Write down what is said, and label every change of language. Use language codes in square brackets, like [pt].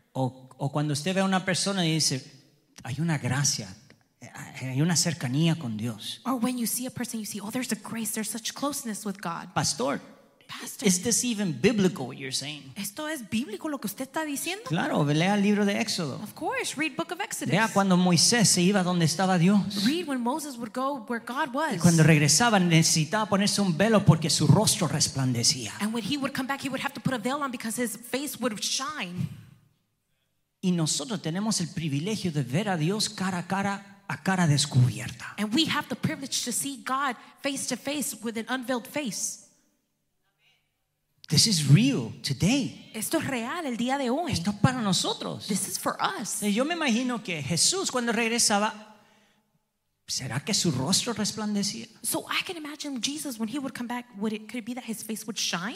[es] O cuando usted ve a una persona y dice, hay una gracia, hay una cercanía con Dios. [en] Or when you see a person, you see, oh, there's a grace, there's such closeness with God. Pastor, is this even biblical what you're saying? [es] ¿Esto es bíblico lo que usted está diciendo? Claro, lea el libro de Éxodo. [en] Of course, read Book of Exodus. [es] Vea cuando Moisés se iba donde estaba Dios. [en] Read when Moses would go where God was. [es] Y cuando regresaba necesitaba ponerse un velo porque su rostro resplandecía. [en] And when he would come back, he would have to put a veil on because his face would shine. [es] Y nosotros tenemos el privilegio de ver a Dios cara a cara. A cara descubierta. [en] And we have the privilege to see God face to face with an unveiled face. This is real today. [es] Esto es real el día de hoy. Esto es para nosotros. [en] This is for us. [es] Yo me imagino que Jesús cuando regresaba, ¿será que su rostro resplandecía? [en] So I can imagine Jesus when he would come back, would it, could it be that his face would shine?